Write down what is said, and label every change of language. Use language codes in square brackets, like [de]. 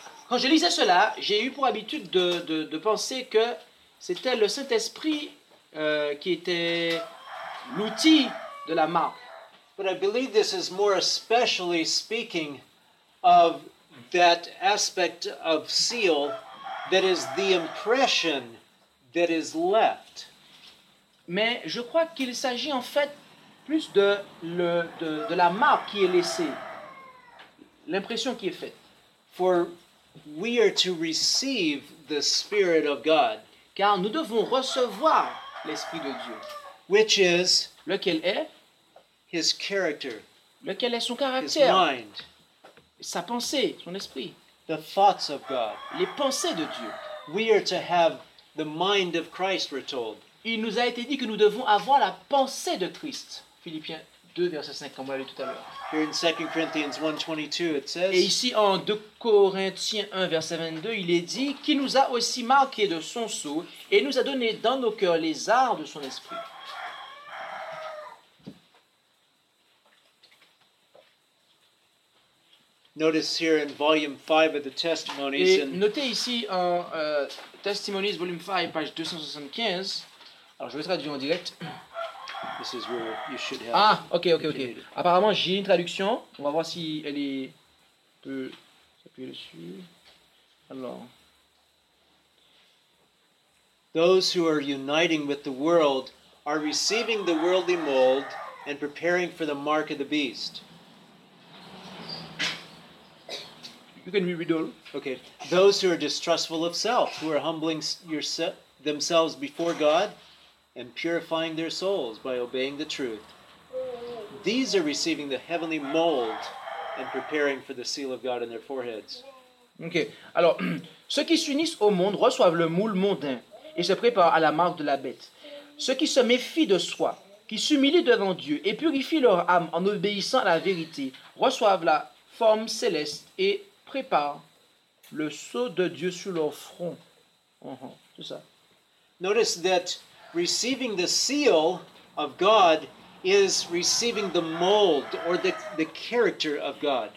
[fr] Quand je lisais cela, j'ai eu pour habitude de penser que c'était le Saint-Esprit qui était l'outil de la marque. [en] But I believe this is more especially speaking of that aspect of seal that is the impression that is left. [fr] Mais je crois qu'il s'agit en fait plus de la marque qui est laissée, l'impression qui est faite. [en] For we are to receive the Spirit of God. [fr] Car nous devons recevoir l'Esprit de Dieu. [en] Which is? [fr] Lequel est? [en] His character. [fr] Lequel est son caractère? [en] His mind. [fr] Sa pensée, son esprit. [en] The thoughts of God. [fr] Les pensées de Dieu. [en] We are to have the mind of Christ, we're told. [fr] Il nous a été dit que nous devons avoir la pensée de Christ. Philippiens 2, verset 5, comme on l'a lu tout à l'heure. [en] Here in 2 Corinthians 1, 22, it says, [fr] et ici, en 2 Corinthiens 1, verset 22, il est dit, qui nous a aussi marqués de son sceau et nous a donné dans nos cœurs les arts de son esprit. [en] Notice here in volume 5 of the testimonies. [fr] Et notez ici en Testimonies volume 5 page 275. Alors je vais traduire en direct. [en] This is where you should have. [fr] Ah, OK. Apparemment, j'ai une traduction. On va voir si elle est peut s'appuyer dessus. Alors. [en] Those who are uniting with the world are receiving the worldly mold and preparing for the mark of the beast. You can read all. Okay. Those who are distrustful of self, who are humbling themselves before God and purifying their souls by obeying the truth. These are receiving the heavenly mold and preparing for the seal of God in their foreheads. Okay. [fr] Alors, ceux qui s'unissent au monde reçoivent le moule mondain et se préparent à la marque de la bête. Ceux qui se méfient de soi, qui s'humilient devant Dieu et purifient leur âme en obéissant à la vérité, reçoivent la forme céleste et prépare le sceau de Dieu sur leur front. C'est ça. [en] Notice that receiving the seal of God is receiving the mold or the character of God.